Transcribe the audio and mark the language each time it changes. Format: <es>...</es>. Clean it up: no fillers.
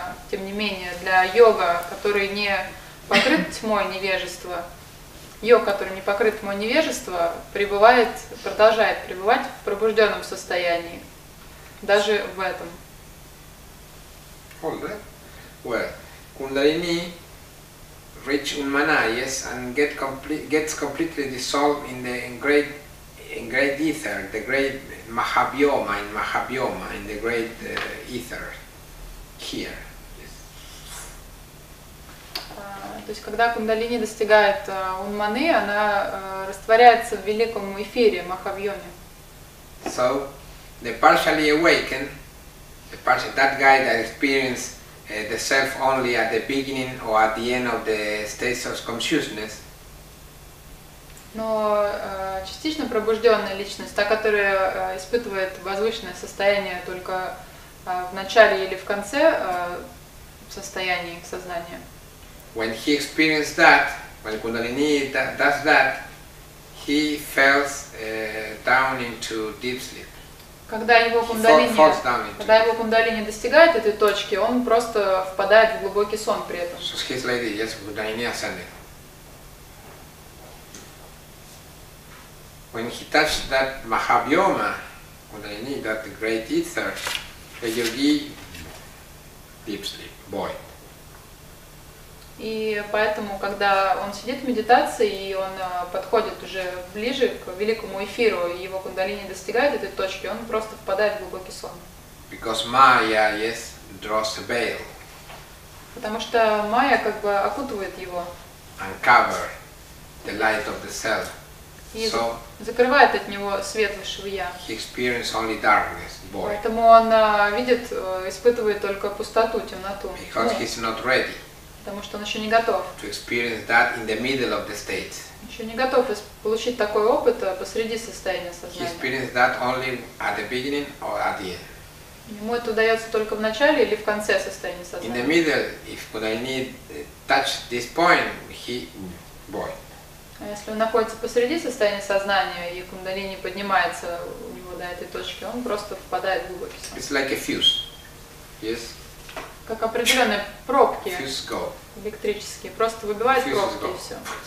<ru>Тем не менее, для йога, который не покрыт тьмой невежества, йог, который не покрыт тьмой невежества, продолжает пребывать в пробужденном состоянии, даже в этом.</ru> <en>Hold that. Well, Kundalini reach Unmana, yes, and gets completely dissolved in the great ether, the great Mahabhyoma, in the great ether here. Yes.</en> <ru>То есть, когда Кундалини достигает Унманы, она растворяется в великом эфире, Махабьоме.</ru> <en>So, the partially awakened, that guy that experienced the self only at the beginning or at the end of the states of consciousness.</en> <ru>Но частично пробужденная личность, та, которая испытывает возвышенное состояние только в начале или в конце состояния сознания.</ru> <en>When he experienced that, when Kundalini does that, he falls down into deep sleep.</en> <ru>Когда его кундалини достигает этой точки, он просто впадает в глубокий сон при этом.</ru> <en>So he's like this, yes, kundalini ascending. when he touched that Mahabhyoma, Kundalini, that great ether, the yogi deep sleep, void.</en> <ru>И поэтому, когда он сидит в медитации, и он подходит уже ближе к великому эфиру, и его кундалини достигает этой точки, он просто впадает в глубокий сон.</ru> <en>Because Maya, yes, draws a veil.</en> <ru>Потому что майя как бы окутывает его.</ru> <en>Uncover the light of the self.</en> <ru>И so, закрывает от него свет высшего я.</ru> <en>He experiences only darkness, boy.</en> <ru>Поэтому он видит, испытывает только пустоту, темноту.</ru> <en>Because he's not ready.</en> <ru>Потому что он еще не готов.</ru> <en>To experience that in the middle of the state.</en> <ru>Еще не готов получить такой опыт посреди состояния сознания.</ru> <en>He experiences that only at the beginning or at the end.</en> <ru>Ему это удается только в начале или в конце состояния сознания.</ru> <en>In the middle, if Kundalini touch this point, he boy.</en> <ru>А если он находится посреди состояния сознания и Кундалини поднимается у него до этой точки, он просто впадает в глубокий сон.</ru> <en>It's like a fuse, yes.</en> <ru>Как определенные пробки Fusco. Электрические, просто выбивает Fusco. Пробки и все.</ru>